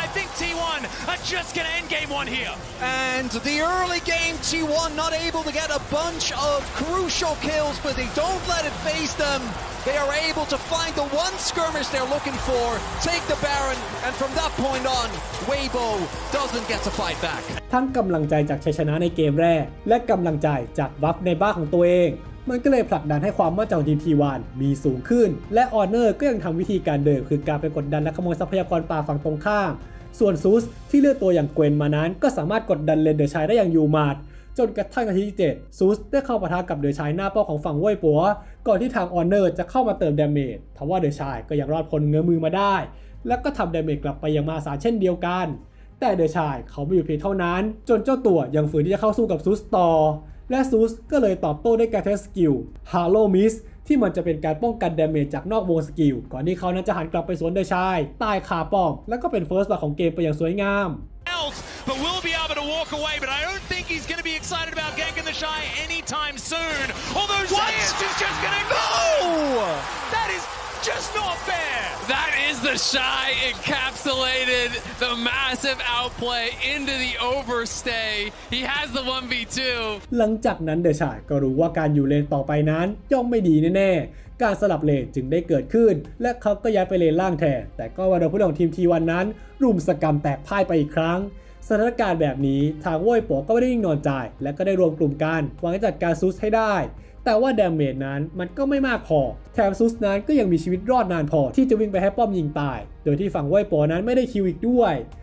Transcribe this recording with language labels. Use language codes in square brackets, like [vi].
[en] And I think T1 are just going to end game one here. And the early game, T1 not able to get a bunch of crucial kills, but they don't let it phase them. They are able to find the one skirmish they're looking for, take the Baron, and from that point on, Weibo doesn't get to fight back. [th] ทั้งกำลังใจจากชัยชนะในเกมแรกและกำลังใจจากบัฟในบ้านของตัวเองมันก็เลยผลักดันให้ความมั่นใจของทีมทีวันมีสูงขึ้นและออเนอร์ก็ยังทำวิธีการเดิมคือการไปกดดันและขโมยทรัพยากรป่าฝั่งตรงข้ามส่วนซูสที่เลือกตัวอย่างเกวนมานั้นก็สามารถกดดันเลนเดอร์ชายได้อย่างอยู่หมัดจนกระทั่งนาทีที่7ซูสได้เข้าปะทะกับเดอร์ชายหน้าเป้าของฝั่งเว่ยปัวก่อนที่ทางออเนอร์จะเข้ามาเติมดาเมจทว่าเดอร์ชายก็ยังรอดพ้นเงื้อมือมาได้ และก็ทำดาเมจกลับไปยังมาสาเช่นเดียวกันแต่เดอร์ชายเขาไม่อยู่เพียงเท่านั้นจนเจ้าตัวยังฝืนที่จะเข้าสู้กับซูสต่อและซูสก็เลยตอบโต้ด้วยการใช้สกิลฮาโลมิสที่มันจะเป็นการป้องกันดาเมจจากนอกวงสกิลก่อนที่เขานั้นจะหันกลับไปสวนเดอร์ชายใต้คาป้อมแล้วก็เป็นเฟิร์สบาร์ของเกมไปอย่างสวยงาม [en] But will be able to walk away, but I don't think he's going to be excited about ganking the Shy anytime soon. Although Zayas is just going to go! That is just not fair! That is the Shy encapsulated, the massive outplay into the overstay. He has the 1v2. [th] หลังจากนั้นเดอร์ชายก็รู้ว่าการอยู่เลนต่อไปนั้นย่อมไม่ดีแน่ๆการสลับเลนจึงได้เกิดขึ้นและเขาก็ย้ายไปเลนล่างแทนแต่ก็ว่าโดนผู้เล่นของทีมทีวันนั้นรุมสกรรมแตกพ่ายไปอีกครั้งสถานการณ์แบบนี้ทางเว่ยปัวก็ไม่ได้นิ่งนอนใจและก็ได้รวมกลุ่มกันหวังจะจัดการซูสให้ได้แต่ว่าดาเมจนั้นมันก็ไม่มากพอแถมซูสนั้นก็ยังมีชีวิตรอดนานพอที่จะวิ่งไปให้ป้อมยิงตายโดยที่ฝั่งเว่ยปัวนั้นไม่ได้คิวอีกด้วย